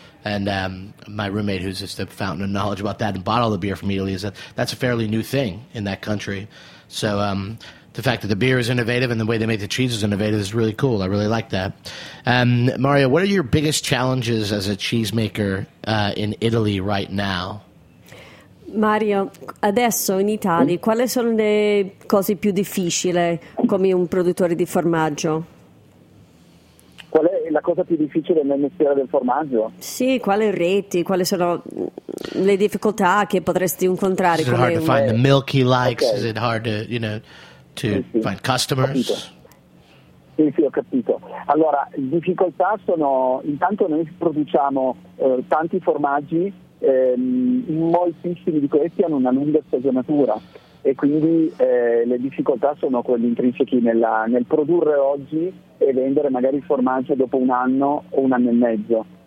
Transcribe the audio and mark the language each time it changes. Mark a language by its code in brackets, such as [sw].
[en] And my roommate, who's just a fountain of knowledge about that and bought all the beer from Italy, is that that's a fairly new thing in that country. So the fact that the beer is innovative and the way they make the cheese is innovative is really cool. I really like that. Mario, what are your biggest challenges as a cheesemaker in Italy right now? [it] Mario, adesso in Italia, quali sono le cose più difficili come un produttore di formaggio? Qual è la cosa più difficile nel mestiere del formaggio? Sì, quali reti, quali sono le difficoltà che potresti incontrare? [en] Is it hard to find the milk he likes? Okay. Is it hard to, you know, to find customers? [it] Sì, ho capito. Allora, difficoltà sono, intanto noi produciamo tanti formaggi, moltissimi di questi hanno una lunga stagionatura e quindi le difficoltà sono quelle intrinsechi nel produrre oggi e vendere magari il formaggio dopo un anno o un anno e mezzo.